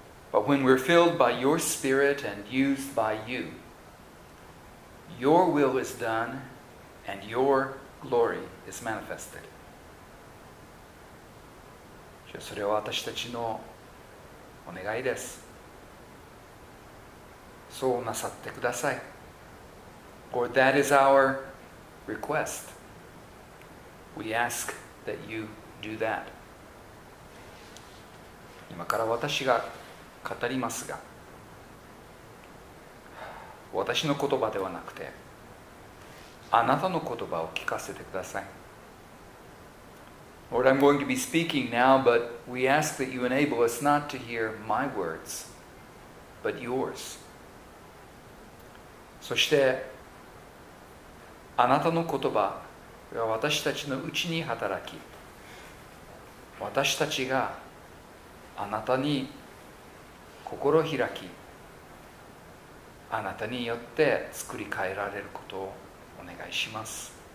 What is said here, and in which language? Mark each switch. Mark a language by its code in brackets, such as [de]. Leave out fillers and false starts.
[en] But when we're filled by your Spirit and used by you, your will is done and your glory is manifested. [ja] それは私たちのお願いです。そうなさってください。 [en] Lord, that is our request. We ask that you do that. [ja] 今から私が語りますが、私の言葉ではなくて、あなたの言葉を聞かせてください。 [en] Lord, I'm going to be speaking now, but we ask that you enable us not to hear my words, but yours. [ja] そしてあなたの言葉が私たちのうちに働き、私たちがあなたに心を開き、あなたによって作り変えられることをお願いします。